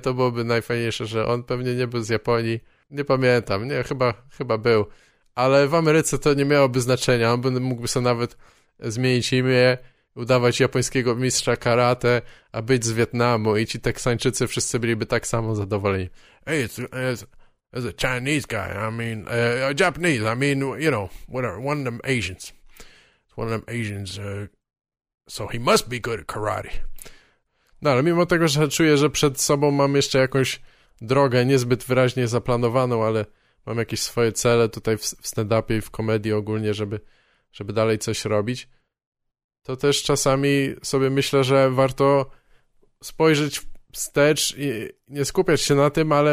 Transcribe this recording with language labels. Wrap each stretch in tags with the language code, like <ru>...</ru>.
<pl>To byłoby najfajniejsze, że on pewnie nie był z Japonii. Nie pamiętam, nie, chyba był. Ale w Ameryce to nie miałoby znaczenia. On mógłby sobie nawet zmienić imię, udawać japońskiego mistrza karate, a być z Wietnamu i ci Teksańczycy wszyscy byliby tak samo zadowoleni.</pl> <en>Hey, it's a Chinese guy, Japanese, I mean, you know, whatever, one of them Asians. It's one of them Asians, so he must be good at karate.</en> <pl>No, ale mimo tego, że czuję, że przed sobą mam jeszcze jakąś drogę niezbyt wyraźnie zaplanowaną, ale mam jakieś swoje cele tutaj w stand-upie i w komedii ogólnie, żeby dalej coś robić, to też czasami sobie myślę, że warto spojrzeć wstecz i nie skupiać się na tym,</pl>